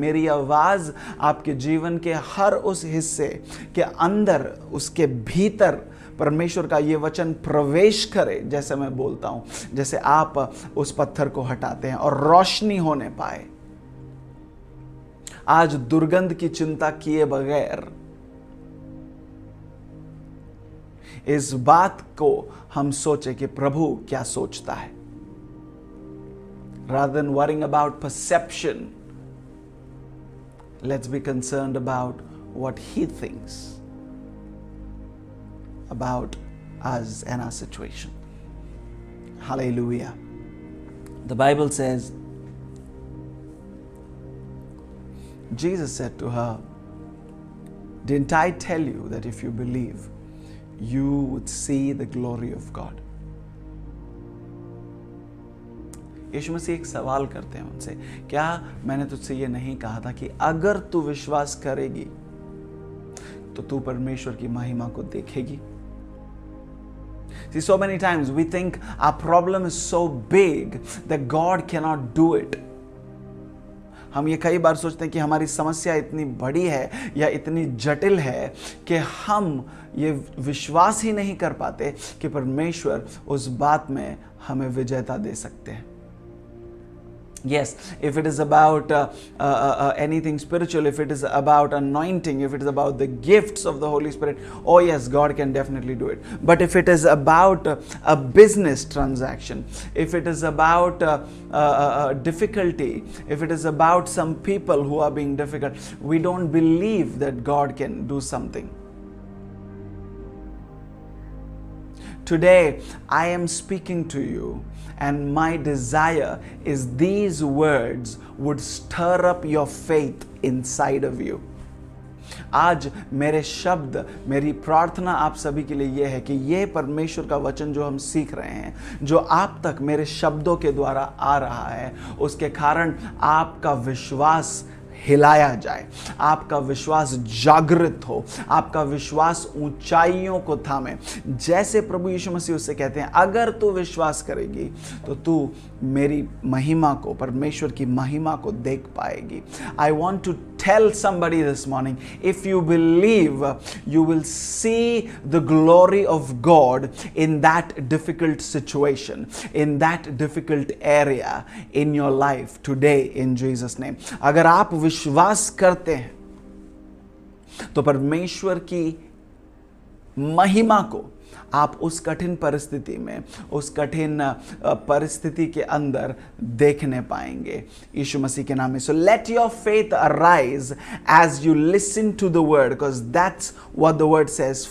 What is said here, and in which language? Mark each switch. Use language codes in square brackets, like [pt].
[hi] मेरी आवाज आपके जीवन के हर उस हिस्से के अंदर, उसके भीतर परमेश्वर का ये वचन प्रवेश करे, जैसे मैं बोलता हूं, जैसे आप उस पत्थर को हटाते हैं और रोशनी होने पाए, आज दुर्गंध की चिंता किए बगैर इस बात को हम सोचे कि प्रभु क्या सोचता है. [en] Rather than worrying about perception, let's be concerned about what he thinks about us and our situation. Hallelujah. The Bible says, Jesus said to her, didn't I tell you that if you believe, you would see the glory of God? [hi] यीशु मसीह एक सवाल करते हैं उनसे, क्या मैंने तुझसे ये नहीं कहा था कि अगर तू विश्वास करेगी तो तू परमेश्वर की महिमा को देखेगी? [en] See, so many times we think our problem is so big that God cannot do it. [hi] हम ये कई बार सोचते हैं कि हमारी समस्या इतनी बड़ी है या इतनी जटिल है कि हम ये विश्वास ही नहीं कर पाते कि परमेश्वर उस बात में हमें विजयता दे सकते हैं. [en] Yes, if it is about anything spiritual, if it is about anointing, if it is about the gifts of the Holy Spirit, oh yes, God can definitely do it. But if it is about a business transaction, if it is about difficulty, if it is about some people who are being difficult, we don't believe that God can do something. Today, I am speaking to you, and my desire is these words would stir up your faith inside of you. [hi] आज मेरे शब्द, मेरी प्रार्थना आप सभी के लिए ये है कि ये परमेश्वर का वचन जो हम सीख रहे हैं, जो आप तक मेरे शब्दों के द्वारा आ रहा है, उसके कारण आपका विश्वास हिलाया जाए, आपका विश्वास जागृत हो, आपका विश्वास ऊंचाइयों को थामे. जैसे प्रभु यीशु मसीह उससे कहते हैं, अगर तू विश्वास करेगी तो तू मेरी महिमा को, परमेश्वर की महिमा को देख पाएगी. [en] I want to tell somebody this morning, if you believe, you will see the glory of God in that difficult situation, in that difficult area in your life today in Jesus' name. [hi] अगर आप विश्वास करते हैं तो परमेश्वर की महिमा को आप उस कठिन परिस्थिति में, उस कठिन परिस्थिति के अंदर देखने पाएंगे यीशु मसीह के नाम में. [en] So let your faith arise as you listen to the word, because that's what the word says.